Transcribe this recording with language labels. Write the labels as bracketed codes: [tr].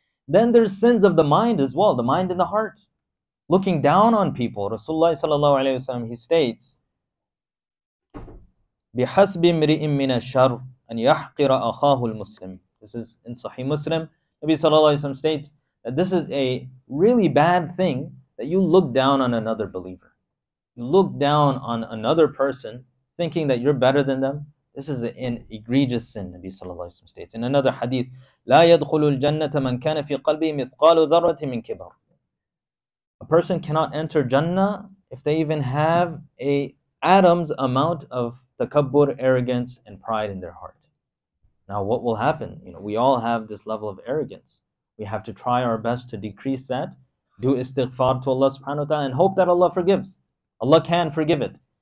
[en] Then there's sins of the mind as well, the mind and the heart. Looking down on people, Rasulullah sallallahu alaihi wasallam, he states, [ar] بِحَسْبِ مِرِئٍ مِّنَ الشَّرْ أَنْ يَحْقِرَ أَخَاهُ الْمُسْلِمِ. [en] This is in Sahih Muslim. Nabi sallallahu alaihi wasallam states that this is a really bad thing that you look down on another believer. You look down on another person thinking that you're better than them. This is an egregious sin, Nabi sallallahu alaihi wasallam states. In another hadith, [ar] لَا يَدْخُلُ الْجَنَّةَ مَنْ كَانَ فِي قَلْبِهِ مِثْقَالُ ذَرَّةٍ مِنْ كِبَرٍ. [en] A person cannot enter Jannah if they even have a atom's amount of takabbur, arrogance, and pride in their heart. Now what will happen? You know, we all have this level of arrogance. We have to try our best to decrease that, do istighfar to Allah subhanahu wa ta'ala, and hope that Allah forgives. Allah can forgive it.